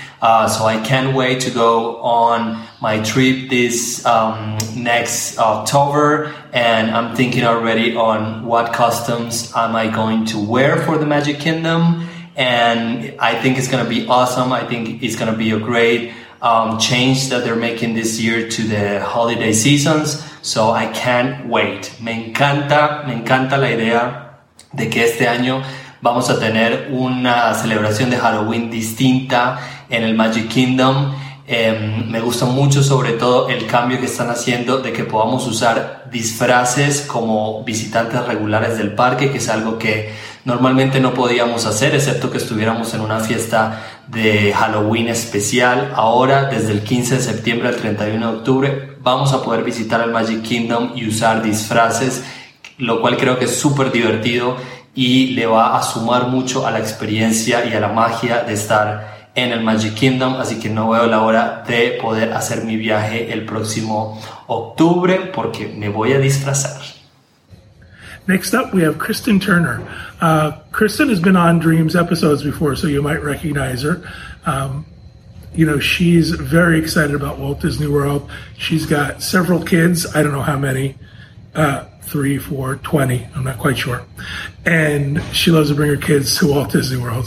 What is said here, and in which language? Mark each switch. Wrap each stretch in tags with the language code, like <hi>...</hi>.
<en>So I can't wait to go on my trip this next October, and I'm thinking already on what costumes am I going to wear for the Magic Kingdom, and I think it's going to be awesome. I think it's going to be a great change that they're making this year to the holiday seasons, so I can't wait.</en> <es>Me encanta la idea de que este año vamos a tener una celebración de Halloween distinta en el Magic Kingdom. Me gusta mucho sobre todo el cambio que están haciendo de que podamos usar disfraces como visitantes regulares del parque, que es algo que normalmente no podíamos hacer, excepto que estuviéramos en una fiesta de Halloween especial. Ahora, desde el 15 de septiembre al 31 de octubre, vamos a poder visitar el Magic Kingdom y usar disfraces, lo cual creo que es súper divertido y le va a sumar mucho a la experiencia y a la magia de estar en el Magic Kingdom, así que no veo la hora de poder hacer mi viaje el próximo octubre porque me voy a disfrazar.</es> <en>Next up, we have Kristen Turner. Kristen has been on Dreams episodes before, so you might recognize her. You know, she's very excited about Walt Disney World. She's got several kids. I don't know how many. 3, 4, 20. I'm not quite sure. And she loves to bring her kids to Walt Disney World.</en>